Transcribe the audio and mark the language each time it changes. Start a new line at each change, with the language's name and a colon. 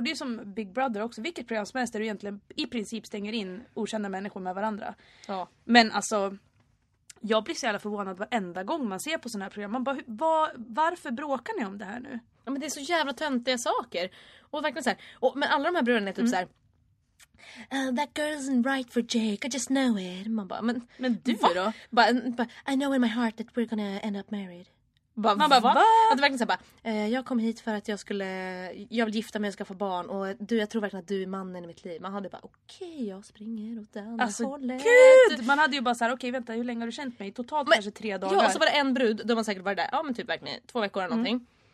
Swedish: Det är som Big Brother också. Vilket program som helst där du egentligen i princip stänger in okända människor med varandra. Ja. Men alltså... Jag blir så jävla förvånad varenda gång man ser på sådana här program. Man bara, varför bråkar ni om det här nu? Ja, men det är så jävla töntiga saker. Och verkligen så här. Och, men alla de här bröderna är typ så här.
English: That girl isn't right for Jake, I just know it.
Swedish: Man bara, men du va? Då? Bara,
English: I know in my heart that we're gonna end up married.
Swedish: Bara, man bara, va? Och det verkligen så här, bara, jag kom hit för att jag vill gifta mig och skaffa barn. Och du, jag tror verkligen att du är mannen i mitt liv. Man hade bara, okej, jag springer åt den alltså, hållet. Gud! Man hade ju bara så här, okej, vänta, hur länge har du känt mig? Totalt men, kanske 3 dagar. Ja, och så var det en brud, då man säkert var där. Ja, men typ verkligen 2 veckor eller någonting.